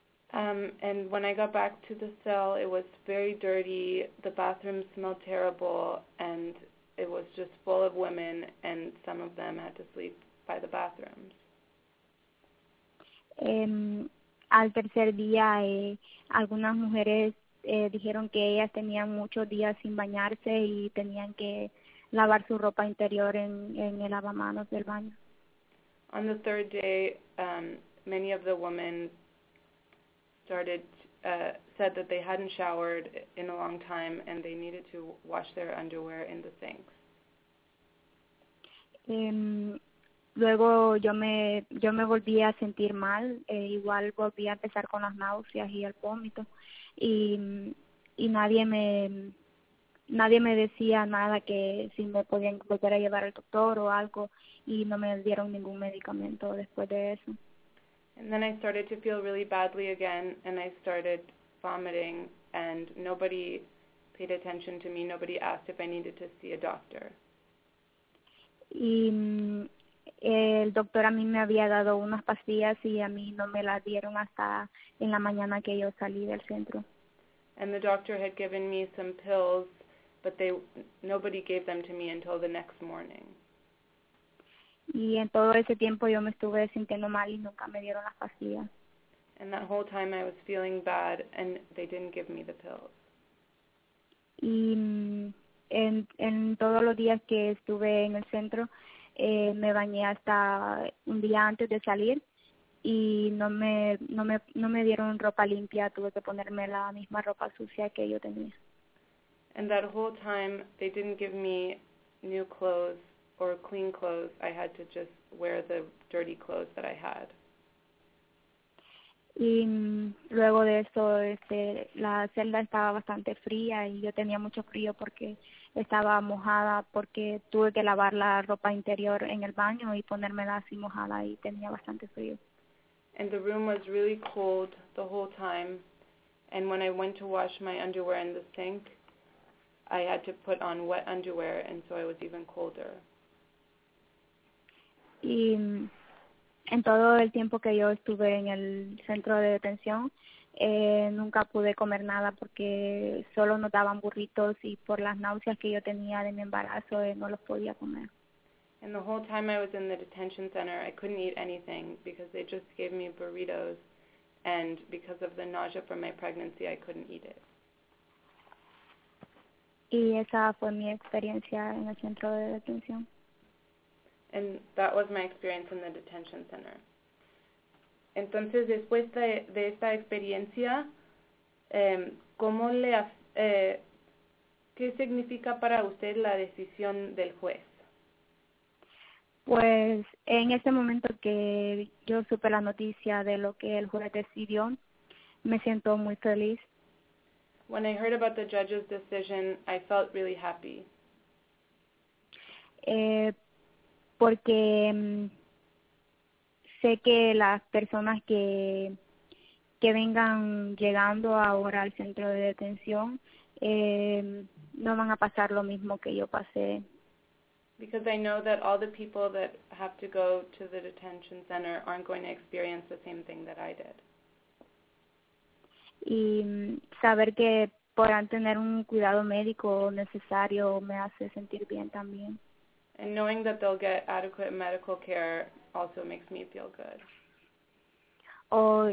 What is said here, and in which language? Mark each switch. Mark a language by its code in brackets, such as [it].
[en] And when I got back to the cell, it was very dirty. The bathroom smelled terrible, and it was just full of women, and some of them had to sleep by the bathrooms. [es] Al tercer día, algunas mujeres dijeron que ellas tenían muchos días sin bañarse y tenían que lavar su ropa interior en el lavamanos del baño. [en] On the third day, many of the women said that they hadn't showered in a long time and they needed to wash their underwear in the sinks. [es] Luego yo me volví a sentir mal, igual volví a empezar con las náuseas y el vómito y nadie me nadie me decía nada, que si me podían volver a llevar al doctor o algo, y no me dieron ningún medicamento después de eso. [en] And then I started to feel really badly again, and I started vomiting, and nobody paid attention to me. Nobody asked if I needed to see a doctor. [es] Y el doctor a mí me había dado unas pastillas y a mí no me las dieron hasta en la mañana que yo salí del centro. [en] And the doctor had given me some pills, but nobody gave them to me until the next morning. [es] Y en todo ese tiempo yo me estuve sintiendo mal y nunca me dieron las pastillas. [en] And that whole time I was feeling bad and they didn't give me the pills. [es] Y en todos los días que estuve en el centro, me bañé hasta un día antes de salir y no me dieron ropa limpia, tuve que ponerme la misma ropa sucia que yo tenía. [en] And that whole time they didn't give me new clothes or clean clothes, I had to just wear the dirty clothes that I had. [es] Y luego de eso, la celda estaba bastante fría y yo tenía mucho frío porque estaba mojada, porque tuve que lavar la ropa interior en el baño y ponérmela así mojada y tenía bastante frío. [en] And the room was really cold the whole time, and when I went to wash my underwear in the sink, I had to put on wet underwear, and so I was even colder. [es] Y en todo el tiempo que yo estuve en el centro de detención, nunca pude comer nada porque solo nos daban burritos y por las náuseas que yo tenía de mi embarazo, no los podía comer. [en] And the whole time I was in the detention center, I couldn't eat anything because they just gave me burritos, and because of the nausea from my pregnancy, I couldn't eat it. [es] Y esa fue mi experiencia en el centro de detención. [en] And that was my experience in the detention center. [es] Entonces, después de esta experiencia, ¿qué significa para usted la decisión del juez? Pues, en ese momento que yo supe la noticia de lo que el juez decidió, me siento muy feliz. [en] When I heard about the judge's decision, I felt really happy. [es] Porque sé que las personas que vengan llegando ahora al centro de detención no van a pasar lo mismo que yo pasé. [en] Because I know that all the people that have to go to the detention center aren't going to experience the same thing that I did. [es] Y saber que podrán tener un cuidado médico necesario me hace sentir bien también. [en] And knowing that they'll get adequate medical care also makes me feel good.